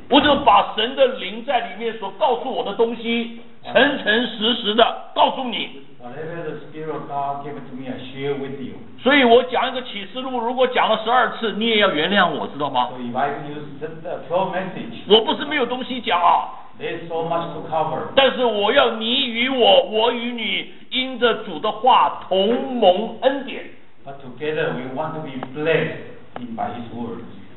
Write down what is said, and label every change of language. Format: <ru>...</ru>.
<zh>我就把神的灵在里面所告诉我的东西，诚诚实实的告诉你。</zh> <en>Whatever the Spirit of God gave to me, I share with you.</en> <zh>所以我讲一个启示录，如果讲了12次，你也要原谅我，知道吗？</zh> <en>So if I can use the 12 message.</en> <zh>我不是没有东西讲啊。</zh> <en>There's so much to cover.</en> <zh>但是我要你与我，我与你，因着主的话同蒙恩典。</zh> <en>But together we want to be blessed in by His words.</en>